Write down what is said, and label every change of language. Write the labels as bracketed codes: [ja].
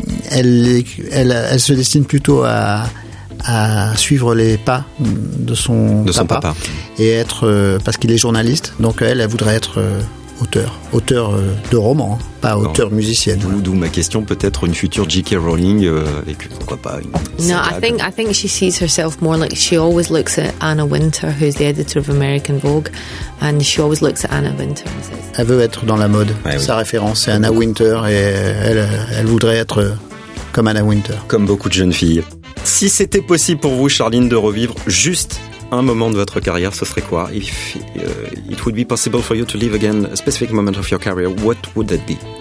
[fr] Elle se destine plutôt à suivre les pas de son papa. Et être, parce qu'il est journaliste, donc elle voudrait être auteur. Auteur de roman, hein, pas auteur musicienne. D'où ma question, peut-être une future J.K. Rowling avec, pourquoi pas, une [en] I think she sees herself more like, she always looks at Anna Wintour, who's the editor of American Vogue, and she always looks at Anna Wintour. [fr] Elle veut être dans la mode. Ouais, sa référence, c'est Anna Wintour, et elle voudrait être comme Anna Wintour. Comme beaucoup de jeunes filles. Si c'était possible pour vous, Charline, de revivre juste un moment de votre carrière, ce serait quoi? [en] If it would be possible for you to live again a specific moment of your career, what would that be?